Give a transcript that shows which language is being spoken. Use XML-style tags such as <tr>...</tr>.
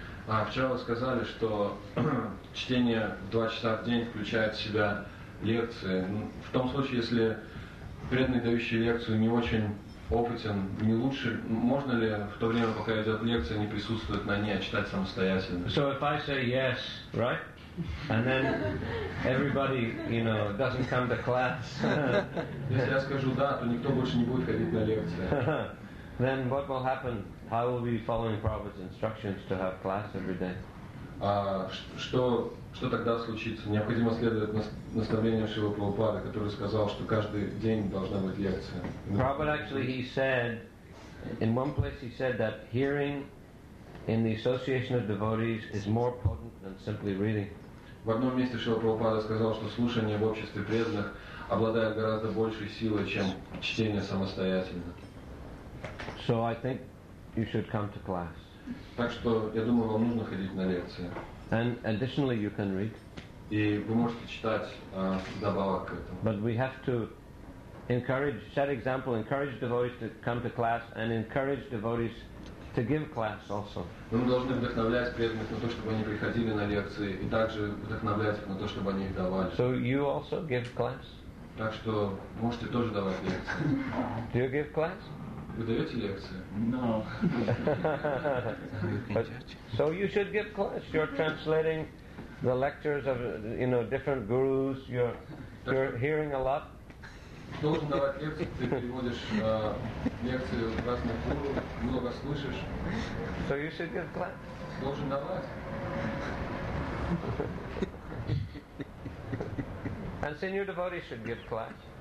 <ru>А вчера вы сказали, что чтение 2 часа в день включает в себя лекции. В том случае, если преданный, дающий лекцию, не очень опытен, не лучше, можно ли в то время, пока идет лекция, не присутствует на ней, а читать самостоятельно?</ru> <en>So if I say yes, right? And then everybody, you know, doesn't come to class.</en> <ru>Если я скажу да, то никто больше не будет ходить на лекции.</ru> <en>Then what will happen? How will we be following Prabhupada's instructions to have class every day?</en> <ru>Что тогда случится? Необходимо следовать наставлениям Шрилы Прабхупады, который сказал, что каждый день должна быть лекция.</ru> <en>Prabhupada actually, he said, in one place he said that hearing in the association of devotees is more potent than simply reading.</en> <ru>В одном месте Шрила Прабхупада сказал, что слушание в обществе преданных обладает гораздо большей силой, чем чтение самостоятельно.</ru> <en>So I think you should come to class.</en> <ru>Так что я думаю, вам нужно ходить на лекции.</ru> <en>And additionally, you can read.</en> <ru>И вы можете читать добавок к этому.</ru> <en>But we have to encourage, set example, encourage devotees to come to class, and encourage devotees to give class also.</en> <ru>Мы должны вдохновлять преданных на то, чтобы они приходили на лекции, и также вдохновлять их на то, чтобы они их давали.</ru> <en>So you also give class?</en> <ru>Так что можете тоже давать лекции.</ru> <en>Do you give class?</en> <ru>Вы даете лекции?</ru> <en>No. So you should give class. You're translating the lectures of, you know, different gurus. You're hearing a lot.</en> <ru>Должен давать лекции. Ты переводишь лекции разных гуру. Много слышишь.</ru> <en>So you should give class.</en> <ru>Должен давать.</ru> <en>And senior devotees should give class.</en>